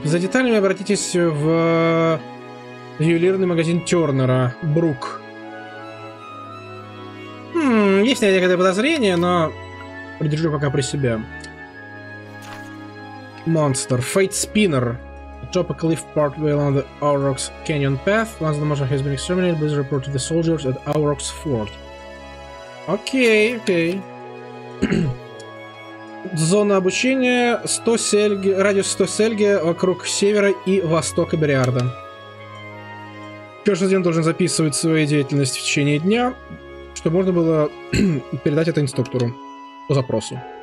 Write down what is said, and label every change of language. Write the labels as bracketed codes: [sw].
[ru] За деталями обратитесь в ювелирный магазин Тёрнера, Брук. Есть некоторые подозрения, но придержу пока при себе. Монстр. Fate Spinner. [en] Atop a cliff partway along the Aurochs Canyon Path. Once the monster has been exterminated, please report to the soldiers at Aurochs Fort. [ru] Окей, окей. Зона обучения 100 сельги, радиус 100 сельги вокруг севера и востока Бриарда. Каждый день должен записывать свою деятельность в течение дня, чтобы можно было передать это инструктору по запросу.